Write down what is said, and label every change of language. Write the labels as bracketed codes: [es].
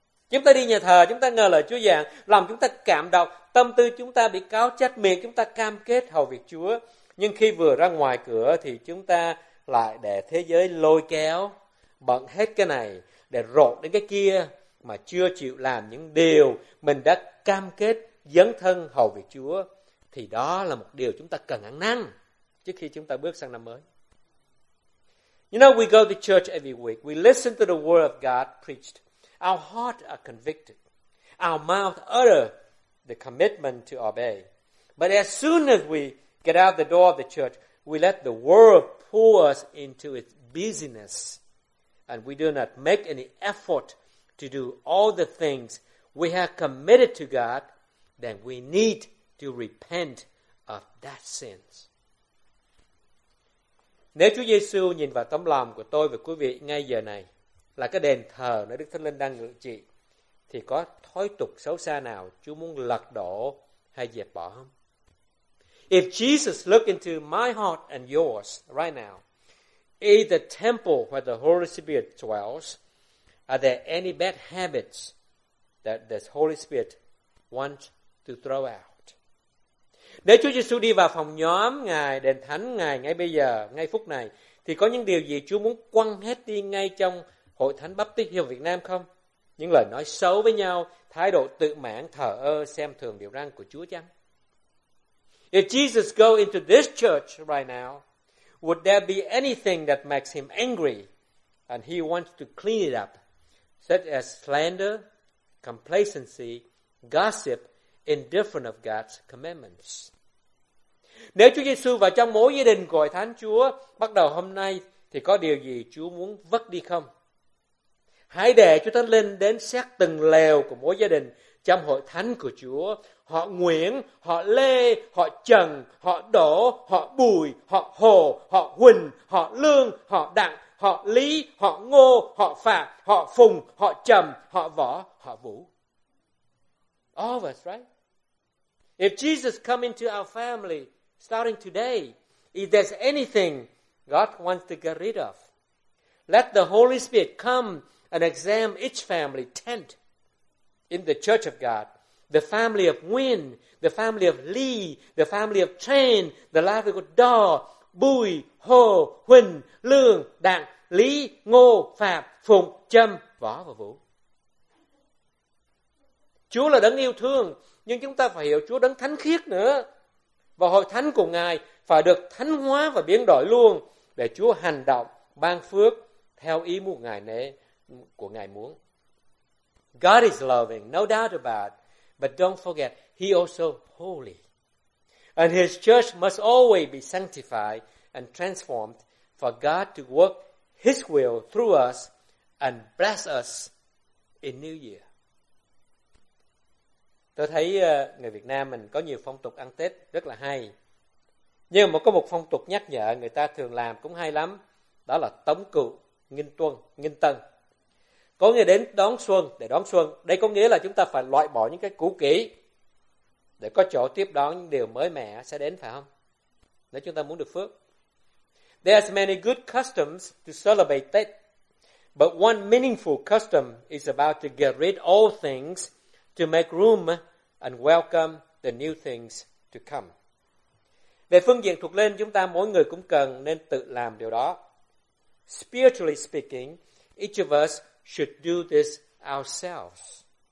[vi] Chúng ta đi nhà thờ, chúng ta nghe lời Chúa giảng, lòng chúng ta cảm động, tâm tư chúng ta bị cáo trách, miệng chúng ta cam kết hầu việc Chúa. Nhưng khi vừa ra ngoài cửa thì chúng ta lại để thế giới lôi kéo, bận hết cái này, để rộn đến cái kia mà chưa chịu làm những điều mình đã cam kết dấn thân hầu việc Chúa. Thì đó là một điều chúng ta cần ăn năn trước khi chúng ta bước sang năm mới. [en] You know, we go to church every week. We listen to the word of God preached. Our hearts are convicted. Our mouth utter the commitment to obey. But as soon as we get out the door of the church, we let the world pull us into its busyness. And we do not make any effort to do all the things we have committed to God, then we need to repent of that sins. [vi] Nếu Chúa Giêsu nhìn vào tấm lòng của tôi và quý vị ngay giờ này là cái đền thờ nơi Đức Thánh Linh đang ngự trị, thì có thói tục xấu xa nào Chúa muốn lật đổ hay dẹp bỏ không? [en] If Jesus looked into my heart and yours right now, is the temple where the Holy Spirit dwells, are there any bad habits that the Holy Spirit wants to throw out? [vi] Nếu Chúa Giêsu đi vào phòng nhóm Ngài, đền thánh Ngài ngay bây giờ, ngay phút này, thì có những điều gì Chúa muốn quăng hết đi ngay trong Hội Thánh Báp Tít Hiệp Việt Nam không? Những lời nói xấu với nhau, thái độ tự mãn, thờ ơ, xem thường điều răn của Chúa chăng? [en] If Jesus go into this church right now, would there be anything that makes him angry and he wants to clean it up, such as slander, complacency, gossip, indifferent of God's commandments? [vi] Nếu Chúa Giêsu vào trong mỗi gia đình của Hội Thánh Chúa bắt đầu hôm nay, thì có điều gì Chúa muốn vứt đi không? Hãy để Chúa Thánh Linh đến xét từng lều của mỗi gia đình trong Hội Thánh của Chúa. Họ Nguyễn, họ Lê, họ Trần, họ Đỗ, họ Bùi, họ Hồ, họ Huỳnh, họ Lương, họ Đặng, họ Lý, họ Ngô, họ Phạm, họ Phùng, họ Trầm, họ Võ, họ Vũ. [en] All of us, right? If Jesus come into our family starting today, if there's anything God wants to get rid of, let the Holy Spirit come and examine each family tent in the church of God, the family of Nguyen, the family of Lee, the family of Chen, the life of Do, Bui, Ho, Huynh, Lương, Đặng, Lý, Ngô, Phạm, Phùng, Châm, Võ [vi] và [en] Vũ. [vi] Chúa là đấng yêu thương, nhưng chúng ta phải hiểu Chúa đấng thánh khiết nữa. Và Hội Thánh của Ngài phải được thánh hóa và biến đổi luôn để Chúa hành động, ban phước theo ý muốn Ngài nể của Ngài muốn. [en] God is loving, no doubt about it. But don't forget, He also holy. And His church must always be sanctified and transformed for God to work His will through us and bless us in New Year. [vi] Tôi thấy người Việt Nam mình có nhiều phong tục ăn Tết rất là hay. Nhưng mà có một phong tục nhắc nhở người ta thường làm cũng hay lắm. Đó là tống cựu, nghinh tuân, nghinh tân. Có nghĩa đến đón xuân, để đón xuân. Đây có nghĩa là chúng ta phải loại bỏ những cái cũ kỹ để có chỗ tiếp đón những điều mới mẻ sẽ đến, phải không? Nếu chúng ta muốn được phước. [en] There are many good customs to celebrate Tết. But one meaningful custom is about to get rid of all things to make room and welcome the new things to come. [vi] Về phương diện thuộc linh, chúng ta mỗi người cũng cần nên tự làm điều đó. [en] Spiritually speaking, each of us should do this ourselves.